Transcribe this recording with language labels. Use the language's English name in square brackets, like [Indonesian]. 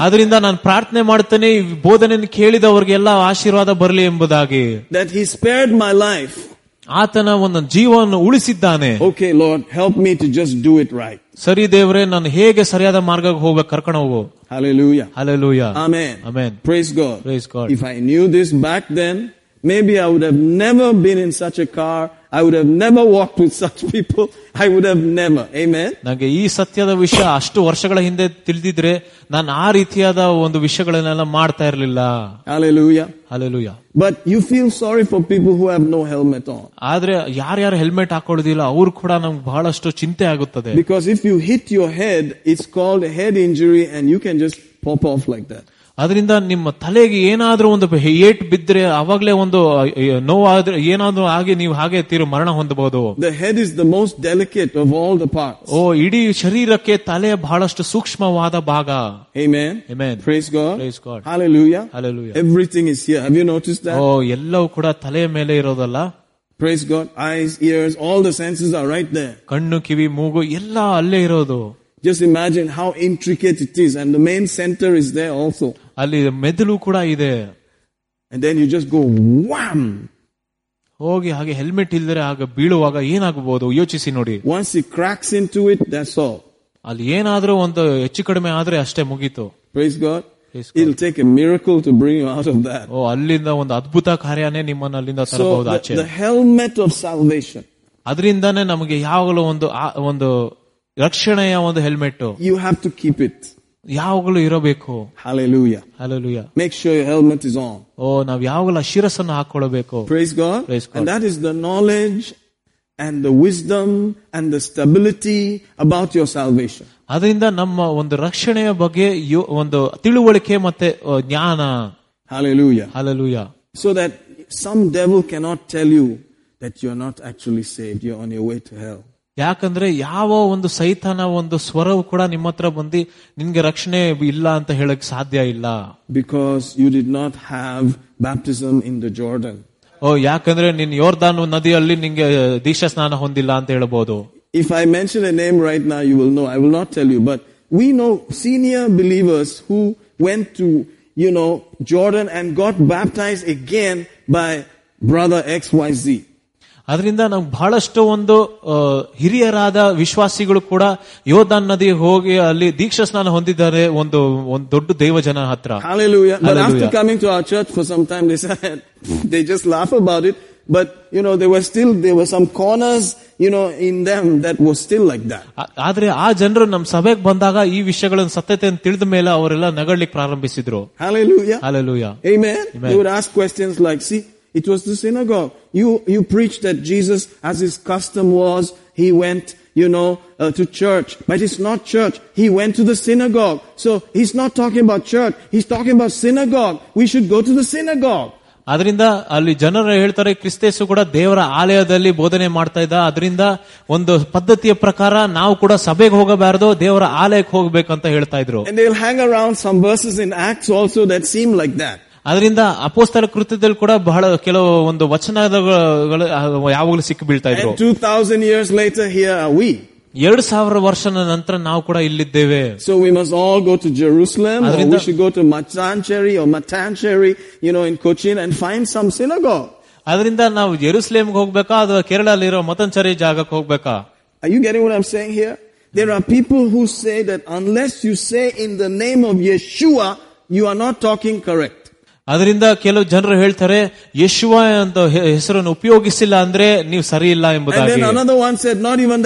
[Kannada] ಅದರಿಂದ ನಾನು ಪ್ರಾರ್ಥನೆ ಮಾಡ್ತೇನೆ ಬೋಧನೆಯನ್ನು ಕೇಳಿದವರಿಗೆಲ್ಲ ಆಶೀರ್ವಾದ ಬರಲಿ ಎಂಬುದಾಗಿ. [English] That he spared my life. [Kannada] ಆತನ ಒಂದು ಜೀವವನ್ನು ಉಳಿಸಿದ್ದಾನೆ. [English] Okay Lord help me to just do it right. [Kannada] ಸರಿ ದೇವರೇ, ನಾನು ಹೇಗೆ ಸರಿಯಾದ ಮಾರ್ಗಕ್ಕೆ ಹೋಗ್ಬೇಕು ಕರ್ಕೊಂಡು ಹೋಗು. [English] Hallelujah. Hallelujah. Amen. Amen. Praise God. Praise God. If I knew this back then, maybe I would have never been in such a car. I would have never walked with such people. I would have never. Amen. [Kannada] ನನಗೆ ಈ ಸತ್ಯದ ವಿಷಯ ಅಷ್ಟು ವರ್ಷಗಳ ಹಿಂದೆ ತಿಳಿದಿದ್ರೆ ನಾನು ಆ ರೀತಿಯಾದ ಒಂದು ವಿಷಯಗಳನ್ನೆಲ್ಲ ಮಾಡ್ತಾ ಇರಲಿಲ್ಲ. [English] Hallelujah. Hallelujah. But you feel sorry for people who have no helmet on. [Kannada] ಆದ್ರೆ ಯಾರ್ಯಾರು ಹೆಲ್ಮೆಟ್ ಹಾಕೊಳ್ಳೋದಿಲ್ಲ ಅವ್ರು ಕೂಡ ನಮ್ಗೆ ಬಹಳಷ್ಟು ಚಿಂತೆ ಆಗುತ್ತದೆ. [English] Because if you hit your head, it's called a head injury and you can just pop off like that. [Kannada] ಅದರಿಂದ ನಿಮ್ಮ ತಲೆಗೆ ಏನಾದರೂ ಒಂದು ಏಟ್ ಬಿದ್ದರೆ ಅವಾಗಲೇ ಒಂದು ನೋವಾದ್ರೆ ಏನಾದರೂ ಆಗಿ ನೀವು ಹಾಗೆ ತೀರು ಮರಣ ಹೊಂದಬಹುದು. [English] The head is the most delicate of all the part. [Kannada] ಓ, ಇಡೀ ಶರೀರಕ್ಕೆ ತಲೆ ಬಹಳಷ್ಟು ಸೂಕ್ಷ್ಮವಾದ ಭಾಗ. [English] Amen, amen. Praise God, praise God. Hallelujah, hallelujah. Everything is here, have you notice that? [Kannada] ಓ, ಎಲ್ಲವೂ ಕೂಡ ತಲೆಯ ಮೇಲೆ ಇರೋದಲ್ಲ. [English] Praise God, eyes, ears, all the senses are right there. [Kannada] ಕಣ್ಣು, ಕಿವಿ, ಮೂಗು ಎಲ್ಲ ಅಲ್ಲೇ ಇರೋದು. [English] Just imagine how intricate it is, and the main center is there also. [Kannada] ಅಲ್ಲಿ ಮೆದುಳು ಕೂಡ ಇದೆ. [English] And then you just go wham. [Kannada] ಹೋಗಿ ಹಾಗೆ ಹೆಲ್ಮೆಟ್ ಇಲ್ಲದರೆ ಆಗ ಬೀಳುವಾಗ ಏನಾಗಬಹುದು ಯೋಚಿಸಿ ನೋಡಿ. [English] Once it cracks into it, that's all. [Kannada] ಅಲ್ಲಿ ಏನಾದರೂ ಒಂದು ಹೆಚ್ಚು ಕಡಿಮೆ ಆದ್ರೆ ಅಷ್ಟೇ ಮುಗೀತು. [English] Praise God. It'll take a miracle to bring you out of that. [Kannada] ಓ, ಅಲ್ಲಿಂದ ಒಂದು ಅದ್ಭುತ ಕಾರ್ಯನೆ ನಿಮ್ಮನ್ನ ಅಲ್ಲಿಂದ ತರಬಹುದು ಆಚೆ. [English] The helmet of salvation. [Kannada] ಅದರಿಂದನೇ ನಮಗೆ ಯಾವಾಗಲೂ ಒಂದು ಒಂದು ರಕ್ಷಣೆಯ ಒಂದು helmet. [English] You have to keep it. [Kannada] ಯಾವಾಗಲೂ ಇರಬೇಕು. [English] Hallelujah. Hallelujah. Make sure your helmet is on. [Kannada] ಓ, ನಾವು ಯಾವಾಗಲೂ ಶಿರಸನ್ನು ಹಾಕೊಳ್ಬೇಕು. [English] Praise God. Praise God. And that is the knowledge and the wisdom and the stability about your salvation. [Kannada] ಅದರಿಂದ ನಮ್ಮ ಒಂದು ರಕ್ಷಣೆಯ ಬಗ್ಗೆ ಒಂದು ತಿಳುವಳಿಕೆ ಮತ್ತೆ ಜ್ಞಾನ. [English] Hallelujah. Hallelujah. So that some devil cannot tell you that you are not actually saved, you are on your way to hell. [Kannada] ಯಾಕಂದ್ರೆ ಯಾವ ಒಂದು ಸೈತಾನ ಒಂದು ಸ್ವರವು ಕೂಡ ನಿಮ್ಮ ಹತ್ರ ಬಂದು ನಿಮಗೆ ರಕ್ಷಣೆ ಇಲ್ಲ ಅಂತ ಹೇಳಕ್ಕೆ ಸಾಧ್ಯ ಇಲ್ಲ. [English] Because you did not have baptism in the Jordan. [Kannada] ಓ, ಯಾಕಂದ್ರೆ ನಿನ್ ಯೋರ್ದಾನ್ ನದಿಯಲ್ಲಿ ನಿಮಗೆ ದೀಕ್ಷಾ ಸ್ನಾನ ಹೊಂದಿಲ್ಲ ಅಂತ ಹೇಳಬಹುದು. [English] If I mention a name right now, you will know. I will not tell you. But we know senior believers who went to, you know, Jordan and got baptized again by brother XYZ. [Kannada] ಅದರಿಂದ ನಮ್ಗೆ ಬಹಳಷ್ಟು ಒಂದು ಹಿರಿಯರಾದ ವಿಶ್ವಾಸಿಗಳು ಕೂಡ ಯೋರ್ದಾನ್ ನದಿ ಹೋಗಿ ಅಲ್ಲಿ ದೀಕ್ಷಾ ಸ್ನಾನ ಹೊಂದಿದ್ದಾರೆ ಒಂದು ಒಂದು ದೊಡ್ಡ ದೈವ ಜನ ಹತ್ರ. [English] Hallelujah. But after coming to our church for some time, they just laugh about it. But you know, there were some corners, you know, in them that was still like that. [Kannada] ಆದ್ರೆ ಆ ಜನರು ನಮ್ ಸಭೆಗೆ ಬಂದಾಗ ಈ ವಿಷಯಗಳನ್ನು ಸತ್ಯತೆಯನ್ನು ತಿಳಿದ ಮೇಲೆ ಅವರೆಲ್ಲ ನಗಳಿಕ್ಕೆ ಪ್ರಾರಂಭಿಸಿದ್ರು. [English] Hallelujah. Hallelujah. Amen. They would ask questions like, see, it was the synagogue. You preached that Jesus, as his custom was, he went, you know, to church. But it's not church. He went to the synagogue. So he's not talking about church. He's talking about synagogue. We should go to the synagogue. [Kannada] ಅದರಿಂದ ಅಲ್ಲಿ ಜನರು ಹೇಳ್ತಾರೆ ಕ್ರಿಸ್ತೇಸು ಕೂಡ ದೇವರ ಆಲಯದಲ್ಲಿ ಬೋಧನೆ ಮಾಡ್ತಾ ಇದ್ದ. ಅದರಿಂದ ಒಂದು ಪದ್ಧತಿಯ ಪ್ರಕಾರ ನಾವು ಕೂಡ ಸಭೆಗೆ ಹೋಗಬಾರದು, ದೇವರ ಆಲಯಕ್ಕೆ ಹೋಗಬೇಕಂತ ಹೇಳ್ತಾ ಇದ್ರು. [English] And they'll hang around some verses in Acts also that seem like that. [Kannada] ಅದರಿಂದ ಅಪೋಸ್ತಲ ಕೃತ್ಯದಲ್ಲಿ ಕೂಡ ಬಹಳ ಕೆಲವು ಒಂದು ವಚನಗಳು ಯಾವಾಗಲೂ ಸಿಕ್ಕಿ ಬೀಳ್ತಾ ಇದ್ರು. [English] 2000 years later here are we. [Kannada] 2000 ವರ್ಷದ ನಂತರ ನಾವು ಕೂಡ ಇಲ್ಲಿದ್ದೇವೆ. [English] So we must all go to Jerusalem, or we should go to Matancheri or Matancheri, you know, in Cochin, and find some synagogue. [Kannada] ಅದರಿಂದ ನಾವು ಜೆರೂಸಲೇಮ್ ಹೋಗ್ಬೇಕಾ ಅಥವಾ ಕೇರಳಲ್ಲಿರೋ ಮತಾಂಚರಿ ಜಾಗಕ್ಕೆ ಹೋಗ್ಬೇಕಾ? [English] Are you getting what I'm saying here? There are people who say that unless you say in the name of Yeshua, you are not talking correct. [Kannada] ಅದರಿಂದ ಕೆಲವು ಜನರು ಹೇಳ್ತಾರೆ ಯೇಶುವ ಅಂತ ಹೆಸರನ್ನು ಉಪಯೋಗಿಸಿಲ್ಲ ಅಂದ್ರೆ ನೀವು ಸರಿ ಇಲ್ಲ ಎಂಬುದಾಗಿ.